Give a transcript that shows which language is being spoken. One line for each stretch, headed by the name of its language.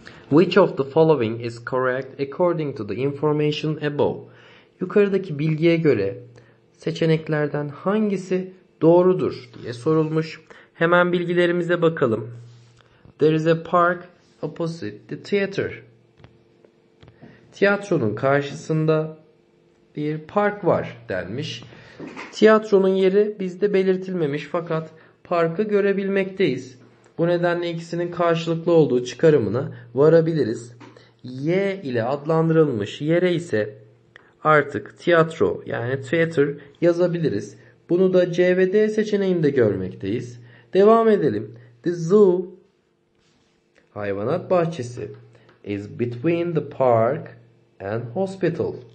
English: Which of the following is correct according to the information above?
Turkish: Yukarıdaki bilgiye göre seçeneklerden hangisi doğrudur diye sorulmuş. Hemen bilgilerimize bakalım.
English: There is a park opposite the theater.
Turkish: Tiyatronun karşısında bir park var denmiş. Tiyatronun yeri bizde belirtilmemiş fakat parkı görebilmekteyiz. Bu nedenle ikisinin karşılıklı olduğu çıkarımına varabiliriz. Y ile adlandırılmış yere ise artık tiyatro yani theater yazabiliriz. Bunu da C ve D seçeneğinde görmekteyiz. Devam edelim.
English: The zoo,
Turkish: hayvanat bahçesi,
English: is between the park and hospital.